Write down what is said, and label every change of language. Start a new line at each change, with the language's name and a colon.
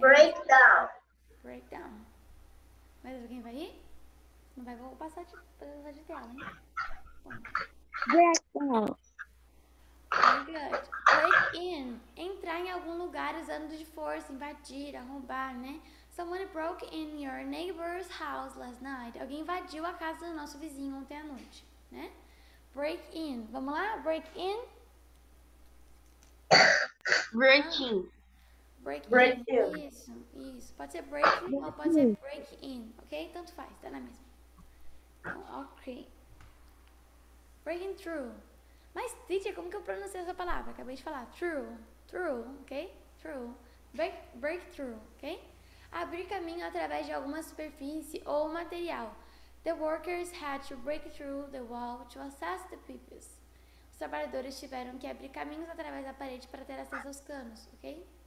English: Breakdown.
Portuguese: Breakdown. Mas alguém vai ir? Não vai, vou passar de tela, hein?
English: Breakdown. Very good. Break in.
Portuguese: Entrar em algum lugar usando de força, invadir, arrombar, né?
English: Someone broke in your neighbor's house last night.
Portuguese: Alguém invadiu a casa do nosso vizinho ontem à noite, né?
English: Break in.
Portuguese: Vamos lá?
English: Break in? Break in. Break in.
Portuguese: Isso, isso. Pode ser break in ou pode ser break in, ok? Tanto faz, tá na mesma. Ok. Breaking through. Mas, teacher, como que eu pronuncio essa palavra? Acabei de falar.
English: True. True, ok? True. Break through, ok?
Portuguese: Abrir caminho através de alguma superfície ou material.
English: The workers had to break through the wall to access the pipes.
Portuguese: Os trabalhadores tiveram que abrir caminhos através da parede para ter acesso aos canos, ok?